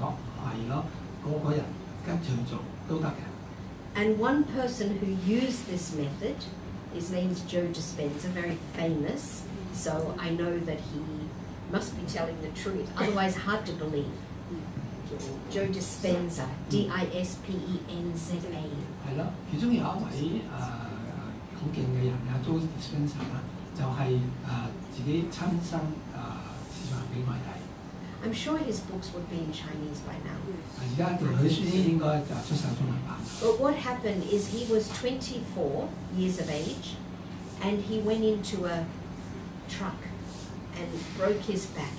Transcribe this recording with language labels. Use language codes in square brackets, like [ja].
[zh] 以前呢,就大家以為呢,修行的靈性境界呢,就是很虛無縹緲,很迷惑的,以為呢,只有很少人呢,才能撞下彩線做到的,但現在證明了,科學證明了,不是的,每個人跟隨做都可以。 [en] And one person who used this method, his name's Joe Dispenza, very famous, so I know that he must be telling the truth, otherwise hard to believe. Joe Dispenza, D-I-S-P-E-N-Z-A. [zh] 其中有一位很厲害的人,Joe Dispenza,就是自己親身示範給我們看。 [en] I'm sure his books would be in Chinese by now. [zh] 現在他的書應該出生中文版。 [en] But what happened is he was 24 years of age, and he went into a truck and broke his back.